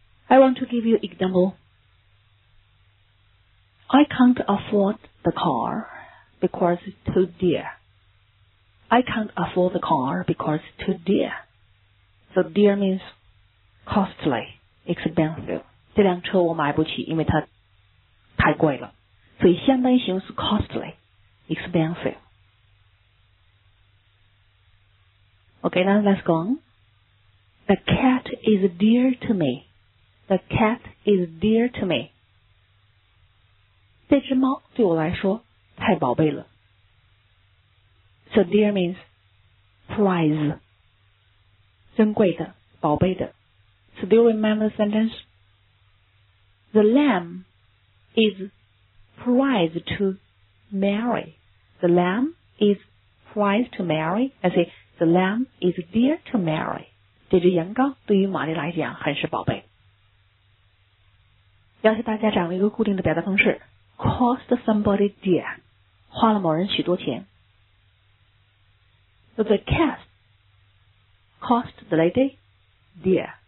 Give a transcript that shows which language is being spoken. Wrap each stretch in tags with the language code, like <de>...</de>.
<en>I want to give you example. I can't afford the car because it's too dear. I can't afford the car because it's too dear. So dear means costly, expensive.</en> <zh>这辆车我买不起，因为它太贵了。所以相当于形容词 costly, expensive.</zh> <en>Okay, now let's go on. The cat is dear to me. The cat is dear to me.</en> <zh>这只猫对我来说太宝贝了。</zh> <en>So dear means prize.</en> <zh>珍贵的，宝贝的。</zh> <en>So do you remember the sentence? The lamb is prized to Mary. The lamb is prized to Mary. I say,The lamb is dear to Mary.</en> <zh>这只羊羔对于玛丽来讲很是宝贝。要求大家掌握一个固定的表达方式 ,</zh> <en>cost somebody dear,</en> <zh>花了某人许多钱。</zh> <en>So the cat cost the lady dear.</en>